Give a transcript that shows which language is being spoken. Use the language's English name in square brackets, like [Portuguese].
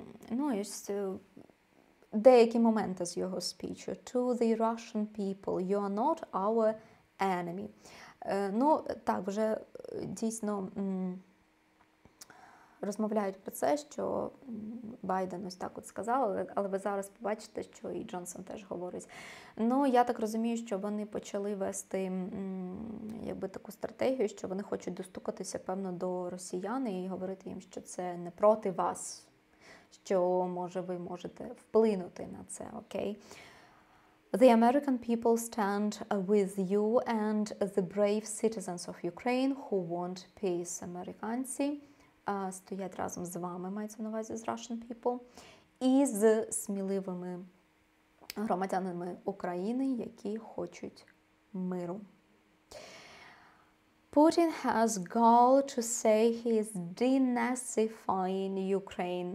[Ukrainian] Ну, і деякі моменти з його спічу. [English] To the Russian people, you are not our enemy. [Ukrainian] Ну, так, вже дійсно розмовляють про це, що Байден ось так от сказав, але ви зараз побачите, що і Джонсон теж говорить. Ну, я так розумію, що вони почали вести якби таку стратегію, що вони хочуть достукатися, певно, до росіян і говорити їм, що це не проти вас, що, може, ви можете вплинути на це, окей? [English] The American people stand with you and the brave citizens of Ukraine who want peace. [Ukrainian] Американці стоять разом з вами, мається на увазі, з [English] Russian people, [Ukrainian] і з сміливими громадянами України, які хочуть миру. [English] Putin has gall to say he is denazifying Ukraine.